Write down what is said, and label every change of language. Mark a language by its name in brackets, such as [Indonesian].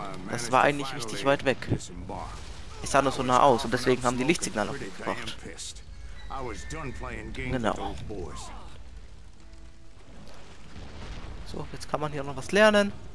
[German] Das war eigentlich richtig weit weg. Es sah nur so nah aus und deswegen haben die Lichtsignale gebracht. [English] I was done playing games with those boys. [German] So, jetzt kann man hier noch was lernen.